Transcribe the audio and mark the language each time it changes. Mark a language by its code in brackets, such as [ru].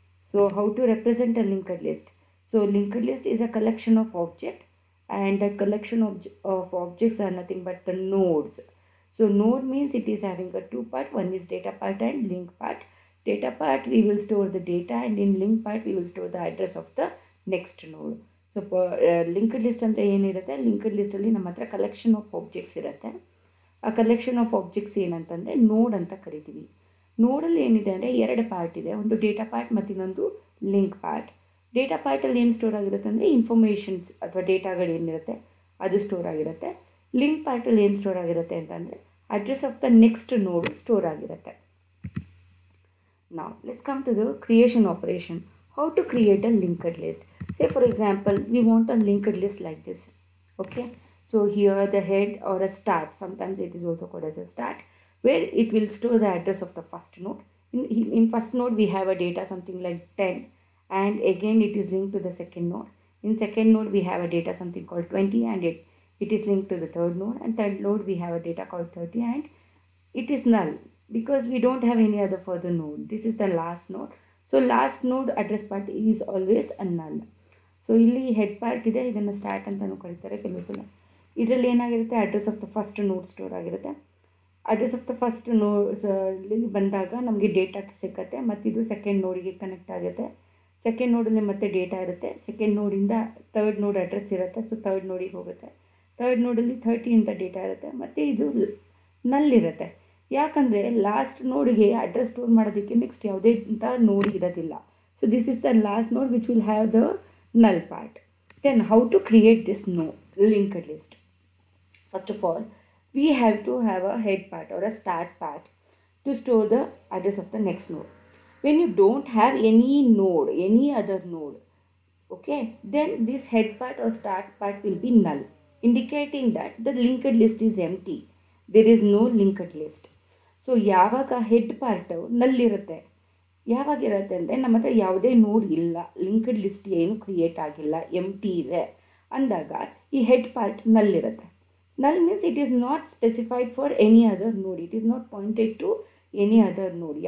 [en] So how to represent a linked list? So linked list is a collection of objects, and the collection of objects are nothing but the nodes. So node means it is having a two part: one is data part and link part. Data part we will store the data, and in link part we will store the address of the next node. [kn] So linked list ಅಂದರೆ ಏನಿರುತ್ತೆ, linked ಲಿಸ್ಟಲ್ಲಿ ನಮ್ಮ ಹತ್ರ collection of objects ಇರುತ್ತೆ. ಆ collection of objects ಏನಂತಂದರೆ ನೋಡ್ ಅಂತ ಕರಿತೀವಿ. ನೋಡಲ್ಲಿ ಏನಿದೆ ಅಂದರೆ ಎರಡು ಪಾರ್ಟ್ ಇದೆ, ಒಂದು ಡೇಟಾ ಪಾರ್ಟ್ ಮತ್ತು ಇನ್ನೊಂದು ಲಿಂಕ್ ಪಾರ್ಟ್. ಡೇಟಾ ಪಾರ್ಟಲ್ಲಿ ಏನು ಸ್ಟೋರ್ ಆಗಿರುತ್ತೆ ಅಂದರೆ ಇನ್ಫಾರ್ಮೇಷನ್ಸ್ ಅಥವಾ ಡೇಟಾಗಳು ಏನಿರುತ್ತೆ ಅದು ಸ್ಟೋರ್ ಆಗಿರುತ್ತೆ. ಲಿಂಕ್ ಪಾರ್ಟಲ್ಲಿ ಏನು ಸ್ಟೋರ್ ಆಗಿರುತ್ತೆ ಅಂತಂದರೆ [en] address of the next node [kn] ಸ್ಟೋರ್ ಆಗಿರುತ್ತೆ. [en] ನಾವು let's come to the creation operation, how to create a linked list. Say for example, we want a linked list like this, okay? So here the head or a start, sometimes it is also called as a start, where it will store the address of the first node. In first node, we have a data something like 10, and again it is linked to the second node. In second node, we have a data something called 20, and it is linked to the third node. And third node, we have a data called 30, and it is null because we don't have any other further node. This is the last node. So last node address part is always a null. [kn] So ಇಲ್ಲಿ head part ಇದೆ, ಇದನ್ನು start ಅಂತಲೂ ಕರೀತಾರೆ ಕೆಲವು ಸಲ. ಇದರಲ್ಲಿ ಏನಾಗಿರುತ್ತೆ, [en] address of the first node [kn] ಸ್ಟೋರ್ ಆಗಿರುತ್ತೆ. [en] address of the first ನೋಡ್ಸಲ್ಲಿ [kn] ಬಂದಾಗ ನಮಗೆ ಡೇಟಾ ಸಿಕ್ಕತ್ತೆ, ಮತ್ತು ಇದು ಸೆಕೆಂಡ್ ನೋಡಿಗೆ ಕನೆಕ್ಟ್ ಆಗುತ್ತೆ. ಸೆಕೆಂಡ್ ನೋಡಲ್ಲಿ ಮತ್ತೆ ಡೇಟಾ ಇರುತ್ತೆ, ಸೆಕೆಂಡ್ ನೋಡಿಂದ ಥರ್ಡ್ ನೋಡ್ ಅಡ್ರೆಸ್ ಇರುತ್ತೆ, ಸೊ ಥರ್ಡ್ ನೋಡಿಗೆ ಹೋಗುತ್ತೆ. ಥರ್ಡ್ ನೋಡಲ್ಲಿ 30 ಅಂತ ಡೇಟಾ ಇರುತ್ತೆ, ಮತ್ತು ಇದು ನಲ್ ಇರುತ್ತೆ. ಯಾಕಂದರೆ ಲಾಸ್ಟ್ ನೋಡಿಗೆ ಅಡ್ರೆಸ್ ಸ್ಟೋರ್ ಮಾಡೋದಕ್ಕೆ ನೆಕ್ಸ್ಟ್ ಯಾವುದೇ ಅಂತ ನೋಡಿ ಇರೋದಿಲ್ಲ. [en] So this is the last node which will have the null part. Then how to create this node linked list? First of all, we have to have a head part or a start part to store the address of the next node. When you don't have any node, any other node, okay, then this head part or start part will be null, indicating that the linked list is empty, there is no linked list. [kn] So yavaga head part null irutte, ಯಾವಾಗ ಇರುತ್ತೆ ಅಂದರೆ ನಮ್ಮ ಹತ್ರ ಯಾವುದೇ ನೋಡ್ ಇಲ್ಲ, linked list ಏನು create ಆಗಿಲ್ಲ, ಎಂಟಿ ಇದೆ ಅಂದಾಗ ಈ ಹೆಡ್ ಪಾರ್ಟ್ ನಲ್ ಇರುತ್ತೆ. [en] Null means it is not specified for any other node, it is not pointed to any other node.